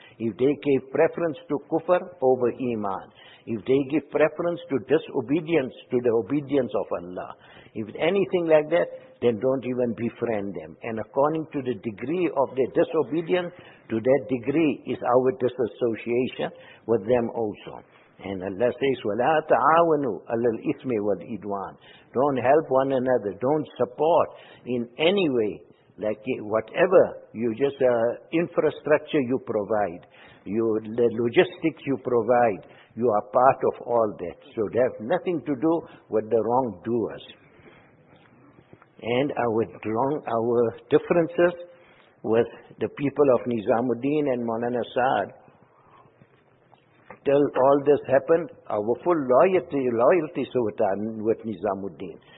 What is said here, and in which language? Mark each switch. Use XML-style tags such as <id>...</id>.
<en>If they gave preference to kufr over iman, if they give preference to disobedience to the obedience of Allah, if anything like that, then don't even befriend them. And according to the degree of their disobedience, to that degree is our disassociation with them also. And Allah says,</en> <ar>وَلَا تَعَاوَنُوا عَلَى الْإِثْمِ وَالْإِدْوَانِ.</ar> <en>Don't help one another, don't support in any way. Like whatever, you just infrastructure you provide, the logistics you provide, you are part of all that. So they have nothing to do with the wrongdoers. And our differences with the people of Nizamuddin and Maulana Saad, till all this happened, our full loyalty with Nizamuddin.</en>